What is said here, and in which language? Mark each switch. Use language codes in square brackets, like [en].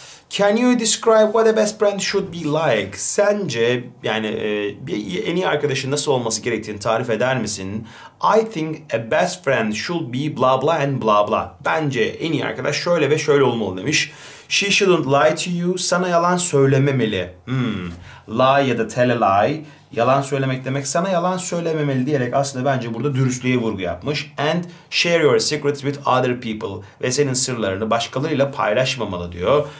[en] Can you describe what a best friend should be like? [tr] Sence yani bir en iyi arkadaşın nasıl olması gerektiğini tarif eder misin? [en] I think a best friend should be blah blah and blah blah. [tr] Bence en iyi arkadaş şöyle ve şöyle olmalı demiş. [en] She shouldn't lie to you. [tr] Sana yalan söylememeli. Lie ya da tell a lie. Yalan söylemek demek sana yalan söylememeli diyerek aslında bence burada dürüstlüğe vurgu yapmış. [en] And share your secrets with other people. [tr] Ve senin sırlarını başkalarıyla paylaşmamalı diyor.